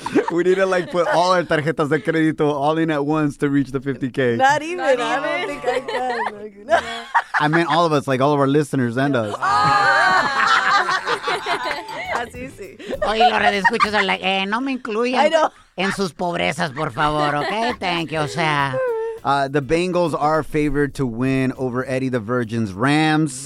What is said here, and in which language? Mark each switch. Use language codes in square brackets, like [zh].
[en] We need to, like, put all our [es] tarjetas de crédito [en] all in at once to reach the 50K. Not even. I don't think I can. I meant all of us, like all of our listeners and us. [es] Así, sí. Oye, los redescuchos son like, no me incluyan en sus pobrezas, por favor, okay? [en] Thank you, [es] o sea. [en] The Bengals are favored to win over Eddie the Virgin's Rams.